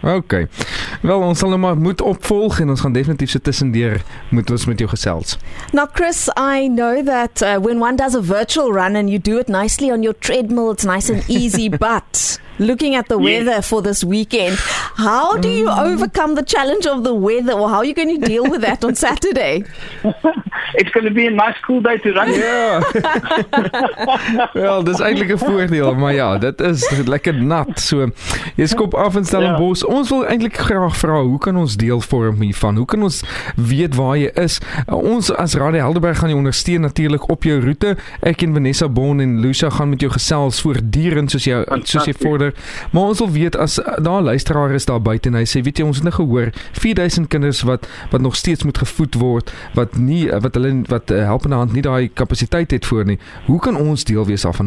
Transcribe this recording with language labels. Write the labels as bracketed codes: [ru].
[af] Ok, wel ons sal nou maar moet opvolg en ons gaan definitief so tussendeur moet ons met jou gesels. [en] Now Chris, I know that when one does a virtual run and you do it nicely on your treadmill, it's nice and easy, but looking at the weather for this weekend, how do you overcome the challenge of the weather, or how are you going to deal with that on Saturday? It's going to be a nice cool day to run. Yeah. [af] Well, dis eintlik 'n voordeel, maar ja, dit is lekker nat. So, jy skop af in Stellenbosch. Ons wil eintlik graag vra, hoe kan ons deel vorm hiervan? Hoe kan ons weet waar jy is? Ons as Radio Helderberg gaan jou ondersteun natuurlik op jou roete. Ek en Vanessa Bon en Lucia gaan met jou gesels voortdurend soos jy vorder. Maar ons wil weet, as daar luisteraar is daar buiten en hy sê, weet jy, ons het nou gehoor 4000 kinders wat nog steeds moet gevoed word, wat helpende hand nie daai kapasiteit het voor nie. Hoe kan ons deel wees daarvan?